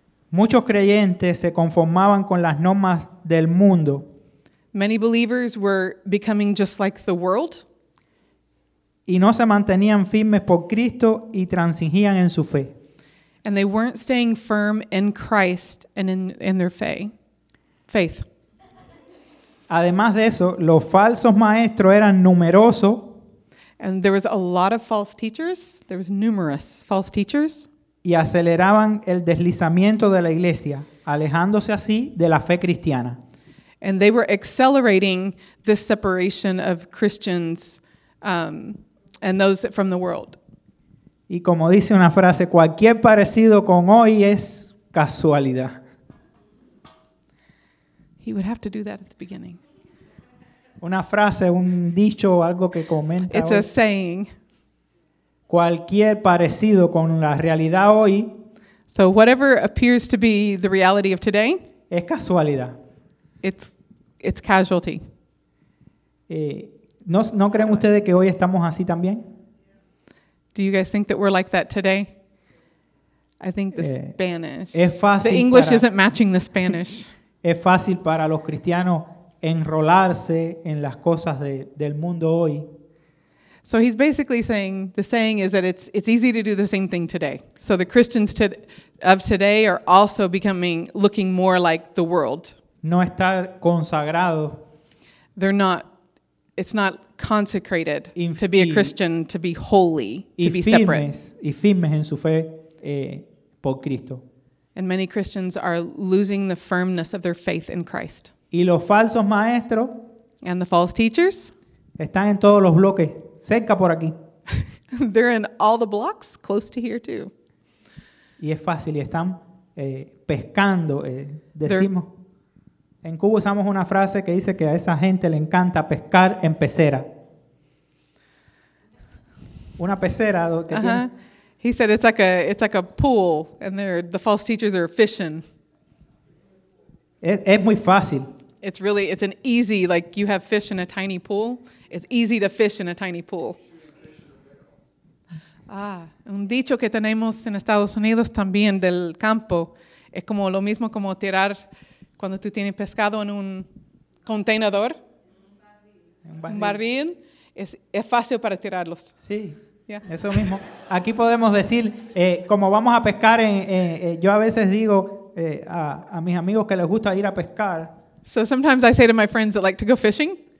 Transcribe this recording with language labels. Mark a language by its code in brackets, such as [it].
[es] Muchos creyentes se conformaban con las normas del mundo. [en] Many believers were becoming just like the world. [es] Y no se mantenían firmes por Cristo y transigían en su fe. [en] And they weren't staying firm in Christ and in their faith. [es] Además de eso, los falsos maestros eran numerosos. [en] And there was a lot of false teachers. There was numerous false teachers. [es] Y aceleraban el deslizamiento de la iglesia, alejándose así de la fe cristiana. [en] And they were accelerating this separation of Christians and those from the world. [es] Y como dice una frase, cualquier parecido con hoy es casualidad. [en] He would have to do that at the beginning. [es] Una frase, un dicho, algo que comenta. [en] It's [es] hoy. [en] A saying. [es] Cualquier parecido con la realidad hoy. [en] So whatever appears to be the reality of today. [es] Es casualidad. [en] It's casualty. [es] ¿No creen ustedes que hoy estamos así también? [en] Do you guys think that we're like that today? I think the Spanish. [es] Es fácil. [en] The English isn't matching the Spanish. [es] Es fácil para los cristianos enrolarse en las cosas del mundo hoy. [en] So he's basically saying, the saying is that it's easy to do the same thing today. So the Christians of today are also becoming, looking more like the world. [es] No estar consagrado. [en] They're not, it's not consecrated to be a Christian, to be holy, to be separate. [es] Y firmes en su fe por Cristo. [en] And many Christians are losing the firmness of their faith in Christ. [es] Y los falsos maestros. [en] And the false teachers. [es] Están en todos los bloques, cerca por aquí. [en] They're in all the blocks, close to here too. [es] y es fácil y están pescando. Decimos, en Cuba usamos una frase que dice que a esa gente le encanta pescar en pecera. Una pecera que [en] He said it's like a pool and the false teachers are fishing. [es] Es muy fácil. [en] It's an easy, like you have fish in a tiny pool. It's easy to fish in a tiny pool. [es] Ah, un dicho que tenemos en Estados Unidos también del campo es como lo mismo como tirar cuando tú tienes pescado en un contenedor, un barril. Es fácil para tirarlos. Sí, yeah. Eso mismo. Aquí podemos decir, como vamos a pescar, yo a veces digo a mis amigos que les gusta ir a pescar. [en] So sometimes I say to my friends that like to go fishing.